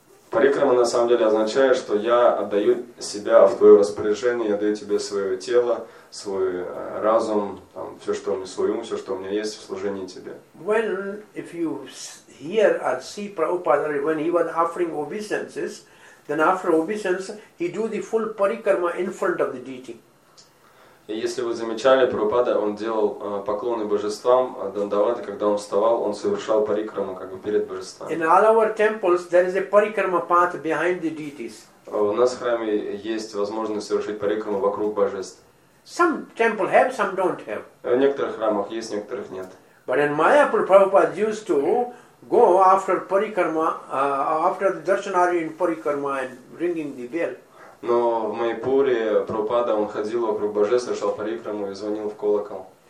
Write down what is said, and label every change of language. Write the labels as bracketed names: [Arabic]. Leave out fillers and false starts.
[Russian] Парикрама на самом деле означает, что я отдаю себя в твое распоряжение, я даю тебе свое тело, свой разум, там, все, что у меня, свой ум, все, что у меня есть в служении тебе. [English] When, if you hear or see Prabhupada, when he was offering obeisances, then after obeisance, he do the full parikrama in front of the deity. [Russian] И если вы замечали, Прабхупада, он делал поклоны божествам, дандаваты, когда он вставал, он совершал парикраму, как бы перед божествами. [English] In all our temples, there is a parikrama path behind the deities. [Russian] У нас в храме есть возможность совершить парикраму вокруг божеств. [English] Some temples have, some don't have. [Russian] В некоторых храмах есть, в некоторых нет. [English] But in Mayapur, Prabhupada used to go after parikrama, after the darshanari in parikrama and ringing the bell. [Russian] Но в Майпуре Прабхупада он ходил вокруг божества, шел парикраму и звонил в колокол.